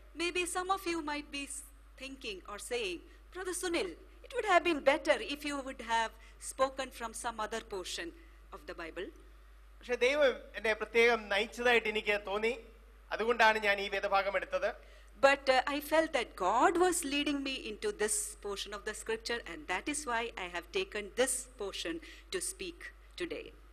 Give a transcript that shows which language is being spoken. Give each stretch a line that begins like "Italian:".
English: Maybe some of you might be thinking or saying, Brother Sunil, it would have been better if you would have spoken from some other portion of the Bible.
Malayalam: പക്ഷേ ദൈവം എന്നെ പ്രത്യേകം നയിച്ചതായിട്ട് എനിക്ക് തോന്നി അതുകൊണ്ടാണ് ഞാൻ ഈ വേദഭാഗം എടുത്തത്
English: But I felt that God was leading me into this portion of the scripture and that is why I have taken this portion to speak today.